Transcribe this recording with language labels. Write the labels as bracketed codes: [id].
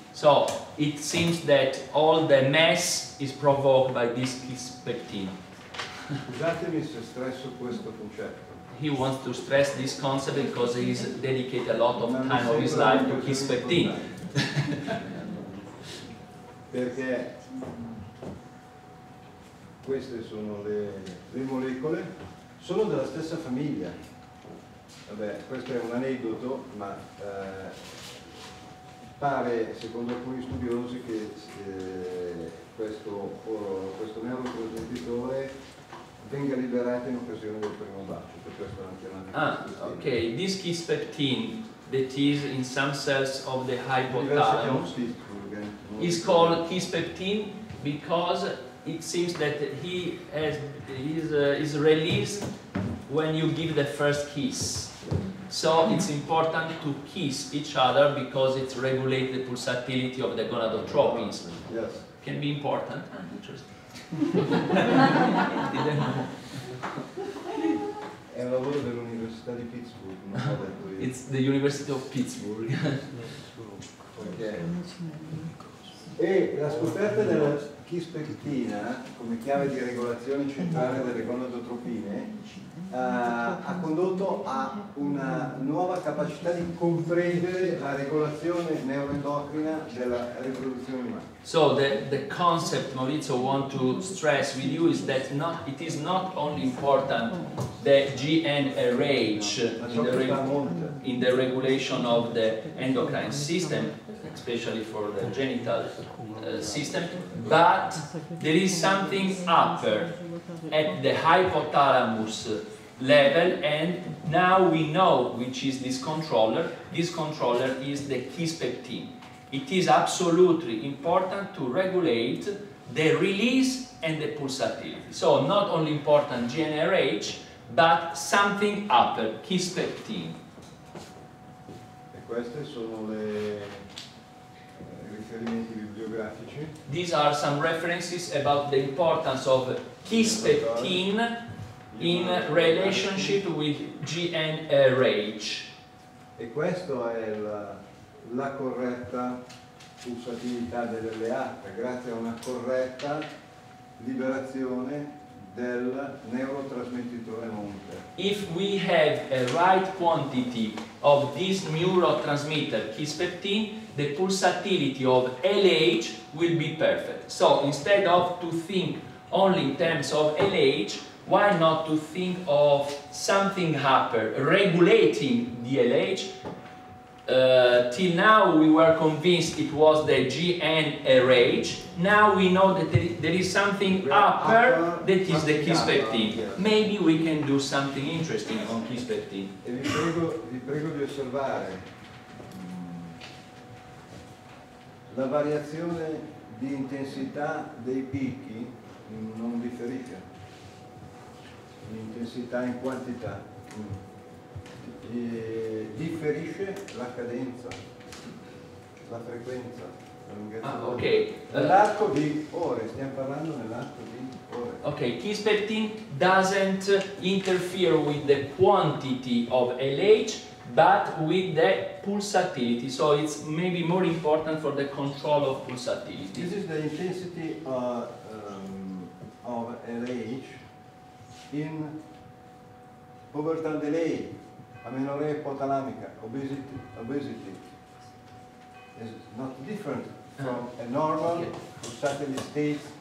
[en] So it seems that all the mess is provoked by this kisspeptin. [it] Scusatemi se stresso questo concetto. [en] He wants to stress this concept because he's dedicated a lot of time of his life to kisspeptin. [it] Perché queste sono le molecole, sono della stessa famiglia. Vabbè, questo è un aneddoto, ma pare, secondo alcuni studiosi, che questo neurotrasmettitore venga liberato in occasione del primo bacio, per questo anche la mia. [en] Ah, ok, this kisspeptin that is in some cells of the hypothalamus is called kisspeptin because it seems that he has is released when you give the first kiss. So it's important to kiss each other because it regulates the pulsatility of the gonadotropins. Yes. Can be important. Interesting. Didn't know. [it] È un lavoro dell'Università di Pittsburgh, non ho detto io. [en] It's the University of Pittsburgh. Okay. [it] E la scoperta della chisspeptina come chiave di regolazione centrale delle gonadotropine ha condotto a una nuova capacità di comprendere la regolazione neuroendocrina della riproduzione umana. [en] So the concept Maurizio want to stress with you is that not it is not only important the GnRH in the regulation of the endocrine system, especially for the genital system, but there is something upper at the hypothalamus level, and now we know which is this controller. This controller is the kisspeptin. It is absolutely important to regulate the release and the pulsatility. So not only important GnRH, but something upper, kisspeptin. [it] E queste sono le riferimenti bibliografici. [en] These are some references about the importance of kisspeptin in relationship with GnRH. [it] E questo è la corretta pulsatilità dell'LH, grazie a una corretta liberazione del neurotrasmettitore monte. [en] If we have a right quantity of this neurotransmitter kisspeptin, the pulsatility of LH will be perfect. So instead of to think only in terms of LH, why not to think of something upper regulating the LH? Till now we were convinced it was the GnRH. Now we know that there is something upper that is the kisspeptin. Maybe we can do something interesting on kisspeptin. [it] Vi prego di osservare la variazione di intensità dei picchi non differisce. L'intensità in quantità e differisce la cadenza, la frequenza, la lunghezza. [en] Ah, okay. [it] Nell'arco di ore, stiamo parlando nell'arco di ore. [en] Okay, kisspeptin doesn't interfere with the quantity of LH, but with the pulsatility. So it's maybe more important for the control of pulsatility. This is the intensity of LH in overtime delay, amenorrhea hypothalamica, obesity is not different from a normal pulsatile state